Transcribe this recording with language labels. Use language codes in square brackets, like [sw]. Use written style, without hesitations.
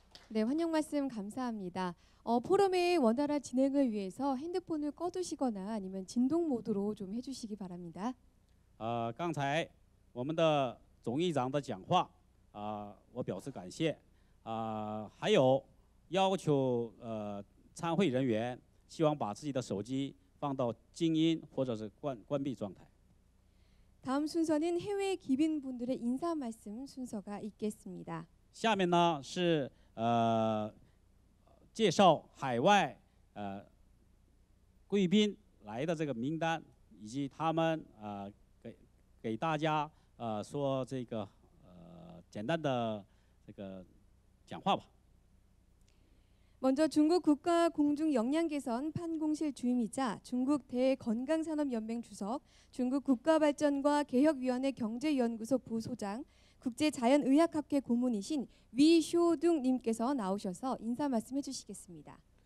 [ko] 네, 환영 말씀 감사합니다. 포럼의 원활한 진행을 위해서 핸드폰을 꺼두시거나 아니면 진동 모드로 좀 해주시기 바랍니다. [zh] 刚才我们的总议长的讲话，我表示感谢。还有要求参会人员，希望把自己的手机放到静音或者是关闭状态。 [ko] 다음 순서는 해외 기빈 분들의 인사 말씀 순서가 있겠습니다. [zh] 下面呢是 介绍海外贵宾来的这个名单，以及他们给大家说这个简单的这个讲话吧。 [ko] 먼저 중국 국가 공중 역량 개선 판공실 주임이자 중국 대건강산업연맹 주석, 중국 국가발전과 개혁위원회 경제연구소 부소장, 국제자연의학학회 고문이신 위쇼둥님께서 나오셔서 인사 말씀해 주시겠습니다.